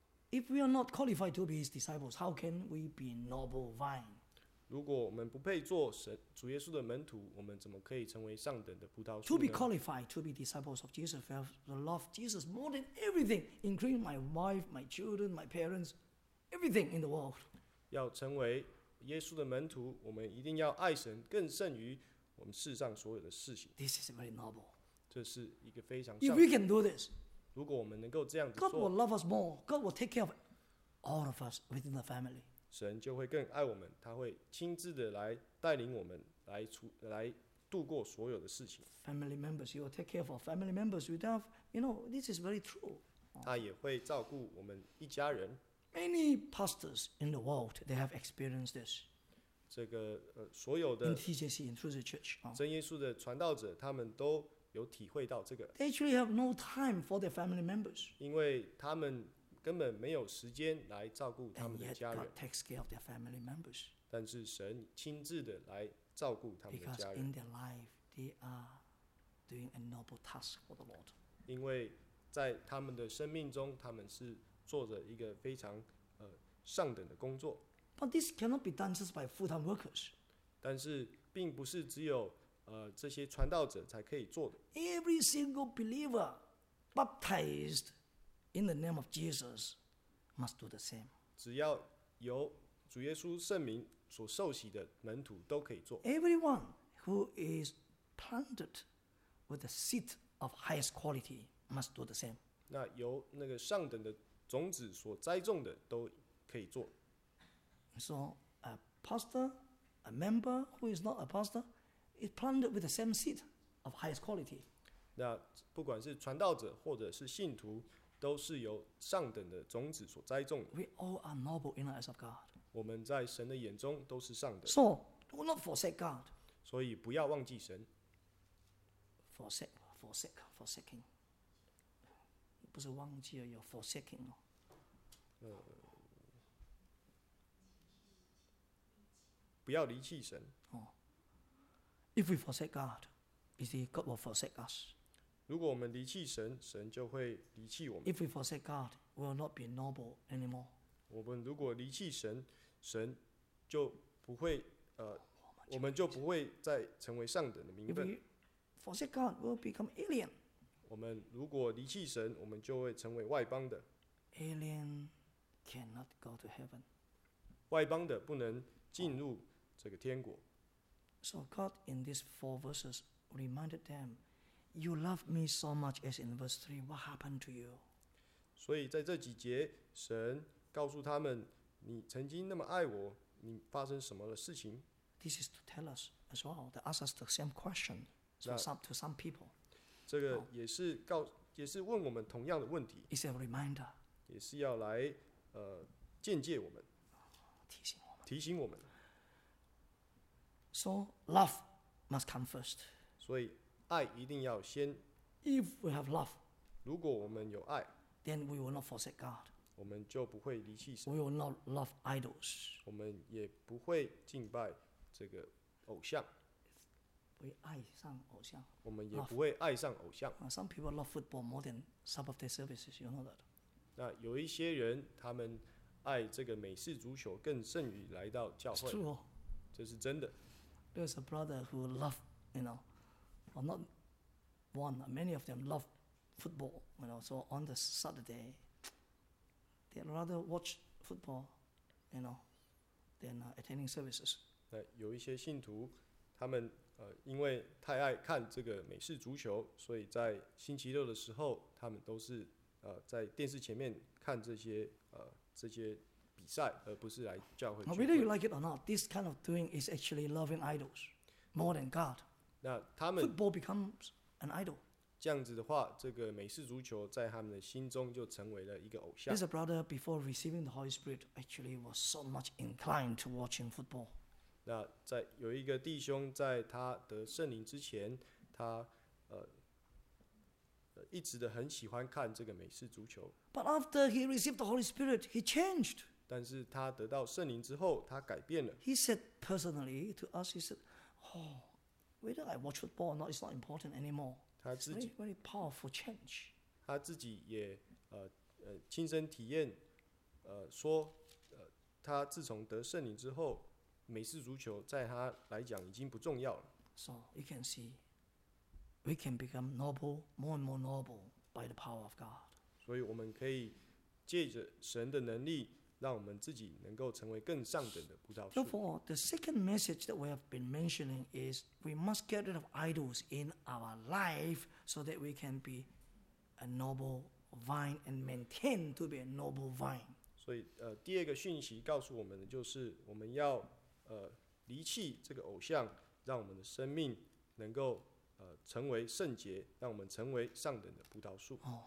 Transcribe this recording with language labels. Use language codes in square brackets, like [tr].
[en] If we are not qualified to be his disciples, how can we be noble vine? [zh] 如果我们不配做神主耶稣的门徒，我们怎么可以成为上等的葡萄树呢？ [en] To be qualified to be disciples of Jesus, we have to love Jesus more than everything, including my wife, my children, my parents, everything in the world. [zh] 要成为耶稣的门徒，我们一定要爱神更胜于我们世上所有的事情。 [en] This is very noble. [zh] 这是一个非常。 [en] If we can do this, [zh] 如果我们能够这样子做， [en] God will love us more. God will take care of all of us within the family. [zh] 神就会更爱我们，他会亲自的来带领我们，来度过所有的事情。 [en] Family members, you will take care of our family members. We have, you know, this is very true. [zh] 他也会照顾我们一家人。 [en] Many pastors in the world, they have experienced this. [zh] 这个所有的 [en] in TJC, in through the church, [zh] 真耶稣的传道者，他们都。有体会到这个。 [en] They actually have no time for their family members. [zh] 因为他们根本没有时间来照顾他们的家人。 [en] And yet God takes care of their family members. [zh] 但是神亲自的来照顾他们的家人。 [en] Because in their life, they are doing a noble task for the Lord. [zh] 因为在他们的生命中，他们是做着一个非常上等的工作。 [en] But this cannot be done just by full-time workers. [zh] 但是并不是只有这些传道者才可以做的。 [en] Every single believer baptized in the name of Jesus must do the same. [zh] 只要由主耶稣圣名所受洗的门徒都可以做。 [en] Everyone who is planted with the seed of highest quality must do the same. [zh] 那由那个上等的种子所栽种的都可以做。 [en] So a pastor, a member who is not a pastor, is planted with the same seed of highest quality. [zh] 那不管是传道者或者是信徒，都是由上等的种子所栽种的。 [en] We all are noble in the eyes of God. [zh] 我们在神的眼中都是上等。 [en] So do not forsake God. [zh] 所以不要忘记神。 [en] Forsaking. [zh] 不是忘记了，有 forsaking 哦。不要离弃神。 [en] If we forsake God, is it God will forsake us? [zh] 如果我们离弃神，神就会离弃我们。 [en] If we forsake God, we will not be noble anymore. [zh] 我们如果离弃神，神就不会我们就不会再成为上等的名分。 [en] If we forsake God, we will become alien. [zh] 我们如果离弃神，我们就会成为外邦的。 [en] Alien cannot go to heaven. [zh] 外邦的不能进入这个天国。 [en] So God in these four verses reminded them, "You love me so much." As in verse three, what happened to you? [zh] 所以在这几节，神告诉他们，你曾经那么爱我，你发生什么的事情 [en] ？This is to tell us as well. They ask us the same question to some people. [zh] 这个也是也是问我们同样的问题。 [en] It's a reminder. [zh] 也是要来警戒我们，提醒我们，提醒我们。 [en] So love must come first. [zh] 所以爱一定要先。 [en] If we have love, [zh] 如果我们有爱 [en] ，then we will not forsake God. [zh] 我们就不会离弃神。 [en] We will not love idols. [zh] 我们也不会敬拜这个偶像。 [en] We [zh] 爱上偶像。我们也不会爱上偶像。 [en] Some people love football more than Sabbath day services. You know that. [zh] 那有一些人，他们爱这个美式足球更胜于来到教会。 [en] True. [zh] 这是真的。 [en] There's a brother who love, you know, well not one, many of them love football, you know, so on the Saturday, they'd rather watch football, you know, than attending services. [zh] 有一些信徒，他们因为太爱看这个美式足球，所以在星期六的时候，他们都是在电视前面看这些比赛，而不是来教会聚会。 [en] Whether you like it or not, this kind of doing is actually loving idols more than God. [zh] 那他们 [en] football becomes an idol. [zh] 这样子的话，这个美式足球在他们的心中就成为了一个偶像。 [en] This brother before receiving the Holy Spirit actually was so much inclined to watching football. [zh] 那在有一个弟兄在他得圣灵之前，他一直的很喜欢看这个美式足球。 [en] But after he received the Holy Spirit, he changed. [zh] 但是他得到圣灵之后，他改变了。 [en] He said personally to us, he said, "Oh, whether I watch football or not, it's not important anymore." [zh] 他自己 [en] very, very powerful change. [zh] 他自己也亲身体验，说，他自从得圣灵之后，美式足球在他来讲已经不重要了。 [en] So you can see, we can become noble, more and more noble by the power of God. [zh] 所以我们可以借着神的能力。让我们自己能够成为更上等的葡萄树。 [en] Therefore, the second message that we have been mentioning is we must get rid of idols in our life so that we can be a noble vine and maintain to be a noble vine. [zh] 所以第二个讯息告诉我们的就是我们要离弃这个偶像，让我们的生命能够成为圣洁，让我们成为上等的葡萄树。